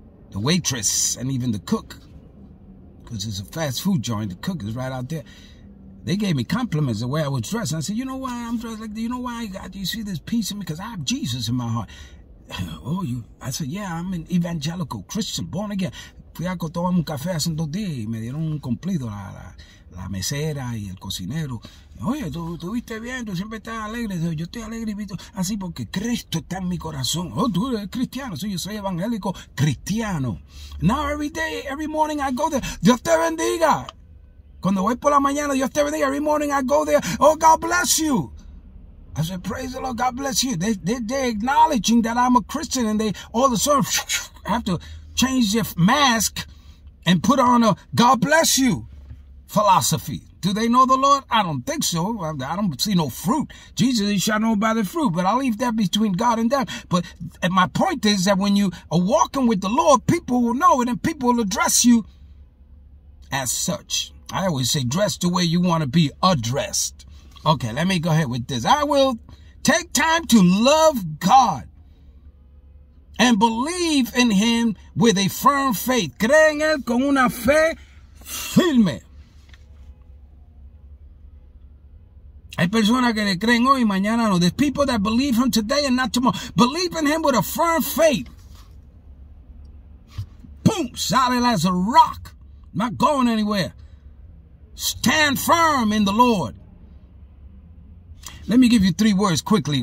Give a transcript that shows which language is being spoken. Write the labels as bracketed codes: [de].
[en] The waitress and even the cook, because it's a fast food joint, the cook is right out there. They gave me compliments the way I was dressed. And I said, you know why I'm dressed like that? You know why you see this peace in me? Because I have Jesus in my heart. Oh, you? I said, yeah, I'm an evangelical Christian, born again. [es] Fui a tomar un café hace 2 días y me dieron un cumplido la mesera y el cocinero. Oye, tú viste bien, tú siempre estás alegre. Yo estoy alegre y visto así porque Cristo está en mi corazón. Oh, tú eres cristiano. Sí, yo soy evangélico cristiano. [en] Now every day, every morning I go there. [es] Dios te bendiga. Cuando voy por la mañana, Dios te bendiga. [en] Every morning I go there. Oh, God bless you. I said, praise the Lord, God bless you. They're acknowledging that I'm a Christian, and they all of a sudden have to change their mask and put on a God bless you philosophy. Do they know the Lord? I don't think so. I don't see no fruit. Jesus, you shall know by the fruit. But I'll leave that between God and them. But and my point is that when you are walking with the Lord, people will know it and people will address you as such. I always say dress the way you want to be addressed. Okay, let me go ahead with this. I will take time to love God and believe in him with a firm faith. [es] Cree en él con una fe firme. Hay personas que le creen hoy y mañana no. [en] There's people that believe him today and not tomorrow. Believe in him with a firm faith. Boom, solid as a rock. Not going anywhere. Stand firm in the Lord. Let me give you 3 words quickly.